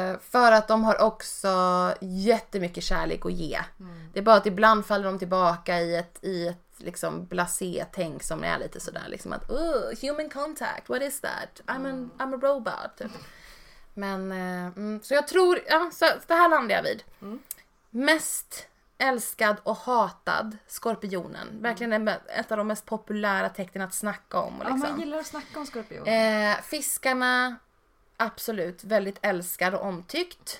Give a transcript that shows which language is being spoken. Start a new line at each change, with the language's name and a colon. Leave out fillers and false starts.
Swedish: För att de har också jättemycket kärlek att ge. Mm. Det är bara att ibland faller de tillbaka i ett liksom blasé-tänk som är lite sådär. Liksom att,
English: human contact, what is that? I'm a robot. Typ.
Swedish: Men, så jag tror, ja, så det här landar jag vid. Mm. Mest älskad och hatad skorpionen. Verkligen ett av de mest populära tecknen att snacka om. Och liksom. Ja, man gillar att snacka om skorpionen. Fiskarna, absolut, väldigt älskad och omtyckt.